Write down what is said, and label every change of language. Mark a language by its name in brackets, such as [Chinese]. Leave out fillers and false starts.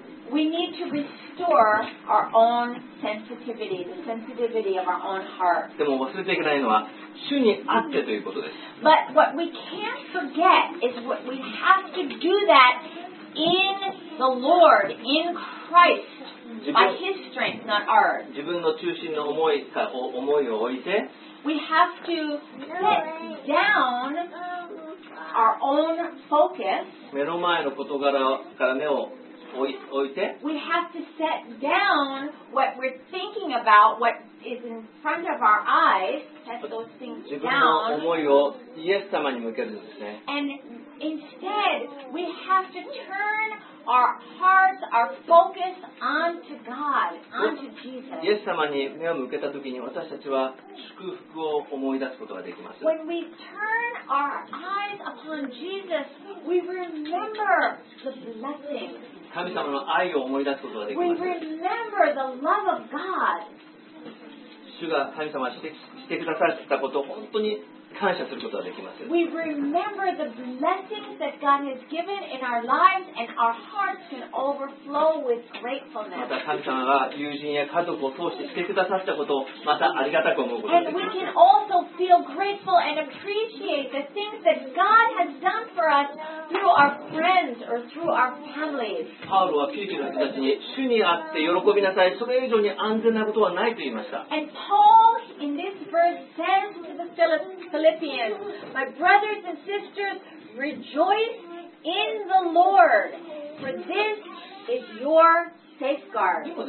[English] We need to restore our own sensitivity, the sensitivity of our own heart. [Japanese] でも忘れていけないのは、主にあってということです。 [English] But what we can't forget is what we have to do that in the Lord, in Christ, by His strength, not ours. [Japanese] 自分の中心の思いを置いて、 [English] We have to let down our own focus. [Japanese] 目の前の事柄から目を置いて。 [English] We have to set down what we're thinking about, what is in front of our eyes. Set those things down. [Japanese] 自分の思いをイエス様に向けるんですね。 [English] And instead, we have to turn our hearts, our focus onto God, onto Jesus. [Japanese] イエス様に目を向けた時に私たちは祝福を思い出すことができます。 [English] When we turn our eyes upon Jesus, we remember the blessing. [Japanese] 神様の愛を思い出すことができます。 [English] We remember the love of God. [Japanese] 主が神様してくださったことを本当に感謝することができます。 [English] We remember the blessings that God has given in our lives and our hearts can overflow with gratefulness. [Japanese] また神様が友人や家族を通してしてくださったことをまたありがたく思うことができます。 [English] And we can also feel grateful and appreciate the things that God has done for us through our friends or through our families. [Japanese] パウロはピリピの人たちに主にあって喜びなさい。それ以上に安全なことはないと言いました。 [English] And Paul in this verse says to the Philippians, my brothers and sisters, rejoice in the Lord, for this is your safeguard.